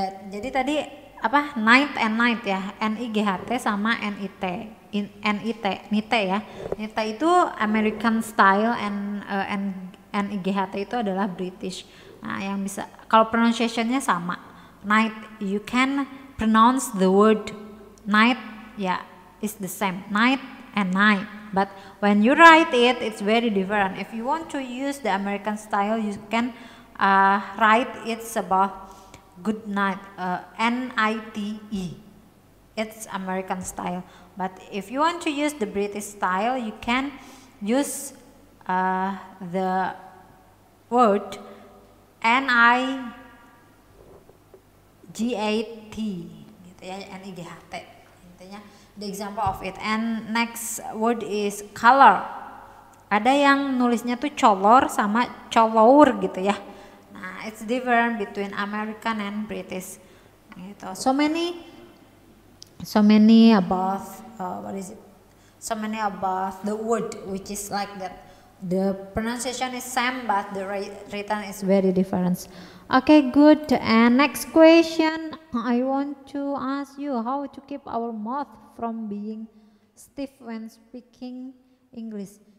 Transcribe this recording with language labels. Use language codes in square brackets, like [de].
[id] Jadi tadi apa? [en] Night and night [id] ya, nighht sama nit, nit ya. Nit itu American style nighht itu adalah British. Nah, yang bisa kalau pronunciation-nya sama. [en] Night, you can pronounce the word night, yeah, it's the same. Night and night. But when you write it, it's very different. If you want to use the American style, you can write it about good night, N-I-T-E. It's American style. But if you want to use the British style, you can use the word N-I-G-H-T, [id] gitu ya, [en] N-I-G-H-T, [id] intinya [en] the example of it. And next word is color. [id] Ada yang nulisnya tuh color sama color gitu ya. [en] Nah, it's different between American and British. [id] Gitu. [en] So many about the word which is like that. The pronunciation is same, but the written is very different. Okay, good. And next question, I want to ask you how to keep our mouth from being stiff when speaking English.